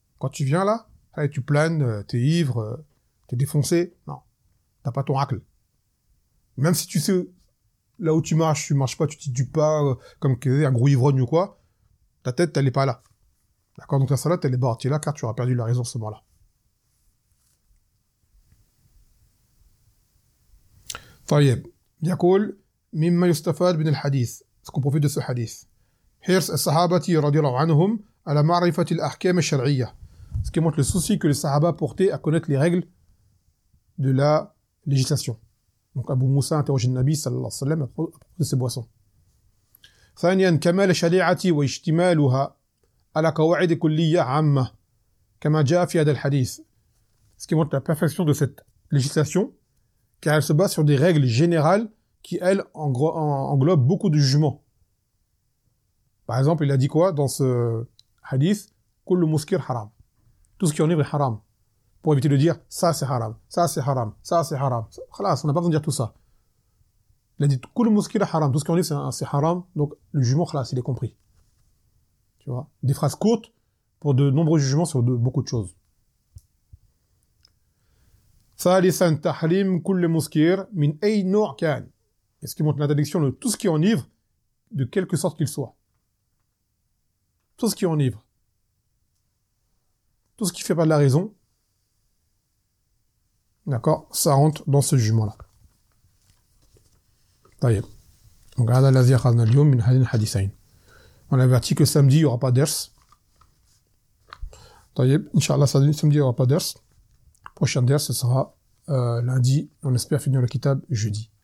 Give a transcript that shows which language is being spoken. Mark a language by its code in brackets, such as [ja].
[fr] Quand tu viens là, allez, tu planes, tu es ivre, tu es défoncé. Non, tu n'as pas ton aql. Même si tu sais là où tu marches, tu marches pas, tu te tues pas, comme un gros ivrogne ou quoi, ta tête, elle est pas là. D'accord? Donc la salat, elle est partie là, car tu auras perdu la raison ce moment-là. [ar] طيب يقول مما يستفاد من الحديث سكون بروفيت دو سو حديث حرص الصحابة رضي الله عنهم على معرفة الأحكام الشرعية [fr] ce qui montre le souci que les sahaba portaient à connaître les règles de la législation. Donc Abu Moussa interroge le Nabi sallallahu alayhi wa sallam à propos de ces boissons. [ar] ثانيا كمال الشريعة واشتمالها على قواعد كلية عامة كما جاء في هذا الحديث [fr] ce qui montre la perfection de cette législation car elle se base sur des règles générales qui, elles, englobent beaucoup de jugements. Par exemple, il a dit quoi dans ce hadith ? [ar] Kul muskir haram. [fr] Tout ce qui enivre est haram. Pour éviter de dire, ça c'est haram, ça c'est haram, ça c'est haram. Khalas, on n'a pas besoin de dire tout ça. Il a dit, [ar] kul muskir haram. [fr] Tout ce qui enivre, c'est haram. Donc, le jugement, khalas, il est compris. Tu vois ? Des phrases courtes pour de nombreux jugements sur beaucoup de choses. [ar] ثالثا تحريم كل مسكر من أي نوع كان. [fr] Est-ce qu'il montre l'interdiction de tout ce qui enivre, de quelque sorte qu'il soit. Tout ce qui enivre. Tout ce qui fait pas de la raison. D'accord, ça rentre dans ce jugement-là. [ar] طيب. Donc هذا الذي أخذنا اليوم من هذين الحديثين. [fr] On avertit que samedi il n'y aura pas d'ers. [ar] طيب. [fr] Inch'Allah samedi il n'y aura pas d'ers. Prochain ders ce sera lundi, on espère finir le kitab jeudi.